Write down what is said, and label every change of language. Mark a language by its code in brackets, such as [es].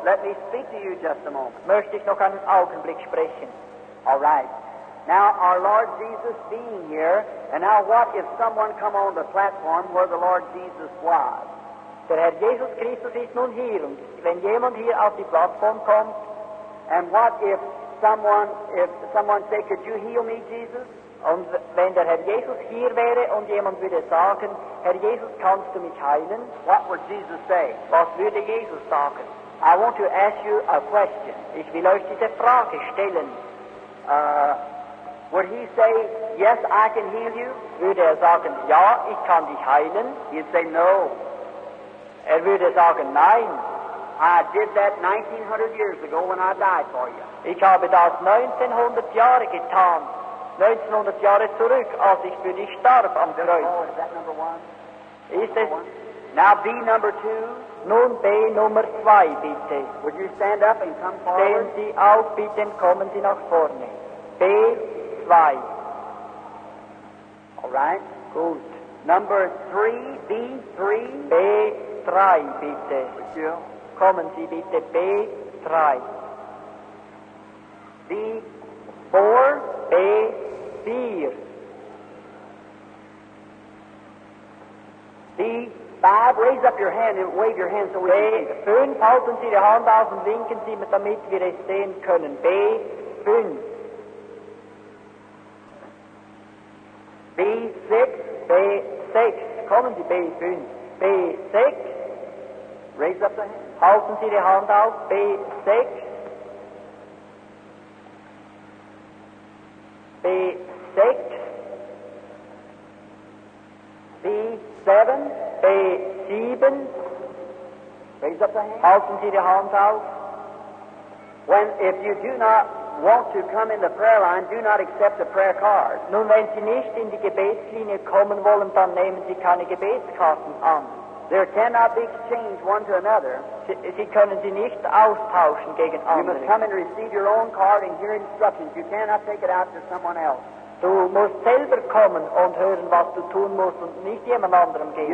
[en] let me speak to you just a moment. [de] Möchte ich noch einen Augenblick sprechen. [en] All right. Now, our Lord Jesus being here, and now what if someone come on the platform where the Lord Jesus was? [de] Der Herr Jesus Christus ist nun hier, und wenn jemand hier auf die Plattform kommt, [en] and what if someone say, could you heal me, Jesus? [de] Und wenn der Herr Jesus hier wäre und jemand würde sagen, Herr Jesus, kannst du mich heilen? [en] What would Jesus say? [de] Was würde Jesus sagen? [en] I want to ask you a question. [de] Ich will euch diese Frage stellen. [en] Would he say, yes, I can heal you? [de] Würde er sagen, ja, ich kann dich heilen? [en] He'd say, no. [de] Er würde sagen, nein. [en] I did that 1900 years ago when I died for you. [de] Ich habe das 1900 Jahre getan. 1900 Jahre zurück, als ich für dich starb am Kreuz. [en] Oh, is that number one? [de] Ist es? [en] Now B number two. [de] Nun B Nummer zwei, bitte. [en] Would you stand up and come forward? [de] Stehen Sie auf, bitte, kommen Sie nach vorne. B zwei. [en] All right. [de] Gut. [en] Number three, B three. [de] B drei, bitte. [en] Would you? [de] Kommen Sie, bitte, B drei. [en] B four. [de] B. Vier. [en] B. Five. Raise up your hand and wave your hand so we can see. [de] B. Fünf. Halten Sie die Hand auf und winken Sie, damit wir es sehen können. B. Fünf. [en] B. Six. [de] B. Sechs. Kommen Sie, B. Fünf. B. Sechs. [en] Raise up the hand. [de] Halten Sie die Hand auf. B. Sechs. [en] B6, B7, B7, raise up the hand. [de] Halten Sie die Hand auf. [en] If you do not want to come in the prayer line, do not accept the prayer card. [de] Nun, wenn Sie nicht in die Gebetslinie kommen wollen, dann nehmen Sie keine Gebetskarten an. [en] There cannot be exchanged one to another. [de] Sie können sie nicht austauschen gegen andere. [en] You must come and receive your own card and hear instructions. You cannot take it out to someone else. [de] Du musst selber kommen und hören, was du tun musst und nicht jemand anderem geben.